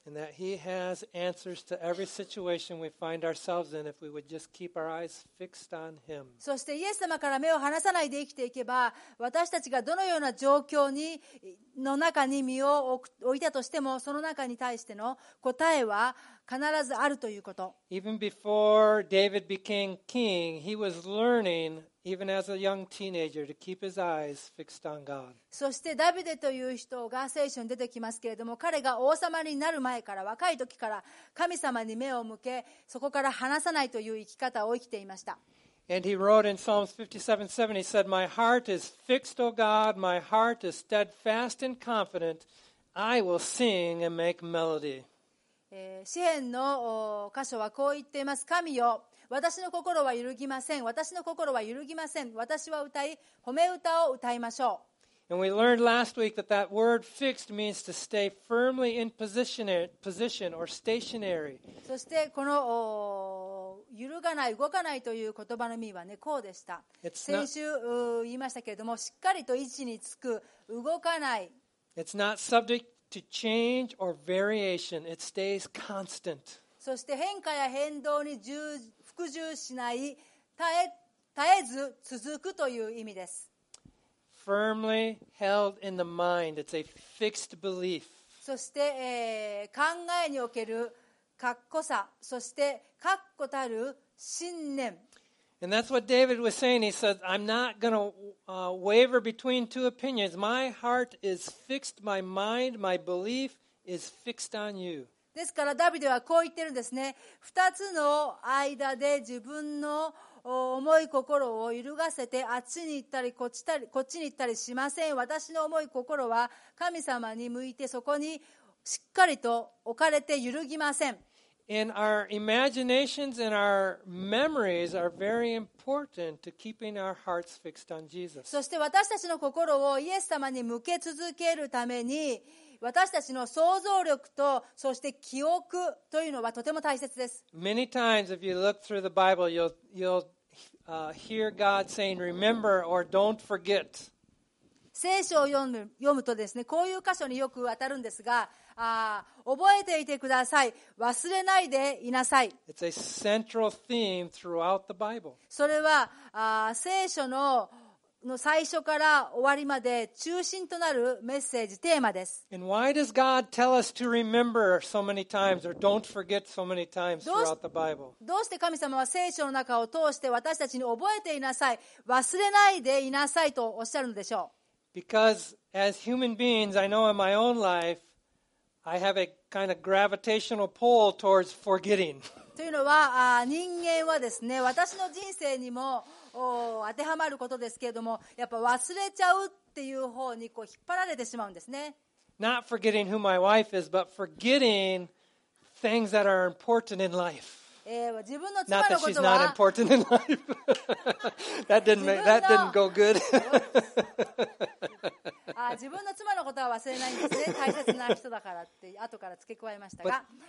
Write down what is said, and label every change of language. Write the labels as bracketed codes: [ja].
[en] And that he has answers to every situation we find ourselves in if we would just keep our eyes fixed on him. [ja] そしてイエス様から目を離さないで生きていけば、私たちがどのような状況にの中に身を置いたとしても、その中に対しての答えは必ずあるということ。 [en] Even before David became king, he was learning, even as a young teenager, to keep his eyes fixed on God. [ja] そしてダビデという人が聖書に出てきますけれども、彼が王様になる前から、若い時から神様に目を向け、そこから離さないという生き方を生きていました。 [en] And he wrote in Psalms 57:7, he said, My heart is fixed, O God, my heart is steadfast and confident, I will sing and make melody. [ja] 詩編の箇所はこう言っています。神よ、私の心は揺るぎません。私の心は揺るぎません。私は歌い、褒め歌を歌いましょう。 [en] And we learned last week that that word fixed means to stay firmly in position or stationary. [ja] そしてこの揺るがない、動かないという言葉の意味はね、こうでした。先週言いましたけれども、しっかりと位置につく、動かない。 [en] It's not subject to change or variation. It stays constant. [ja] そして変化や変動に服従しない、絶えず続くという意味です。 [en] Firmly held in the mind. It's a fixed belief. [ja] そして、考えにおける確固さ、そして確固たる信念。 [en] And that's what David was saying. He said, I'm not going to waver between two opinions. My heart is fixed. My mind, my belief is fixed on you. [ja] ですからダビデはこう言ってるんですね。二つの間で自分の思い心を揺るがせて、あっちに行ったりこっちに行ったりしません。私の思い心は神様に向いて、そこにしっかりと置かれて揺るぎません。 [en] And our imaginations and our memories are very important to keeping our hearts fixed on Jesus. [ja] そして私たちの心をイエス様に向け続けるために、私たちの想像力とそして記憶というのはとても大切です。 [en] Many times if you look through the Bible, you'll hear God saying, "Remember or don't forget." [ja] 聖書を読むとですね、こういう箇所によく当たるんですが、覚えていてください、忘れないでいなさい。 [en] It's a central theme throughout the Bible. [ja] それは聖書の最初から終わりまで中心となるメッセージ、テーマです。 [en] And why does God tell us to remember so many times or don't forget so many times throughout the Bible? [ja] どうして神様は聖書の中を通して私たちに覚えていなさい、忘れないでいなさいとおっしゃるのでしょう。 [en] Because as human beings, I know in my own life, I have a kind of gravitational pull towards forgetting. [ja] というのは、人間はですね、私の人生にも当てはまることですけれども、やっぱ忘れちゃうっていう方にこう引っ張られてしまうんですね。 [en] Not forgetting who my wife is, but forgetting things that are important in life. [ja] 自分の妻のことは。 [en] Not that she's not important in life. That didn't make, that didn't go good. [ja] 自分の妻のことは忘れないんですね。大切な人だからって後から付け加えましたが。